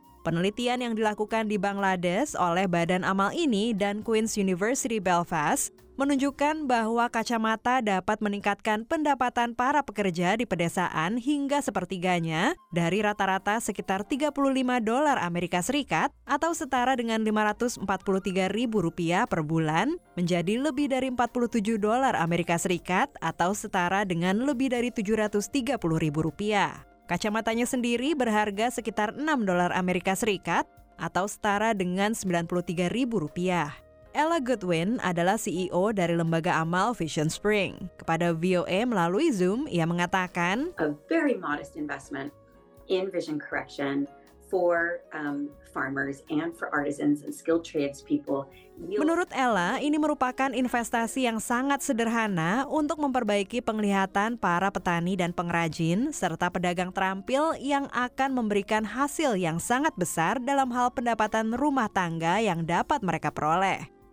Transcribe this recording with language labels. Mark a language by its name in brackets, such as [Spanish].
[Indonesian] Penelitian yang dilakukan di Bangladesh oleh Badan Amal ini dan Queen's University Belfast menunjukkan bahwa kacamata dapat meningkatkan pendapatan para pekerja di pedesaan hingga sepertiganya dari rata-rata sekitar $35 Amerika Serikat atau setara dengan Rp543.000 per bulan menjadi lebih dari $47 Amerika Serikat atau setara dengan lebih dari Rp730.000. Kacamatanya sendiri berharga sekitar $6 Amerika Serikat atau setara dengan Rp93.000. Ella Goodwin adalah CEO dari lembaga amal Vision Spring. Kepada VOA melalui Zoom, ia mengatakan, [English] "A very modest investment in vision correction for farmers and for artisans and skilled trades people." [Indonesian] Menurut Ella, ini merupakan investasi yang sangat sederhana untuk memperbaiki penglihatan para petani dan pengrajin serta pedagang terampil yang akan memberikan hasil yang sangat besar dalam hal pendapatan rumah tangga yang dapat mereka peroleh.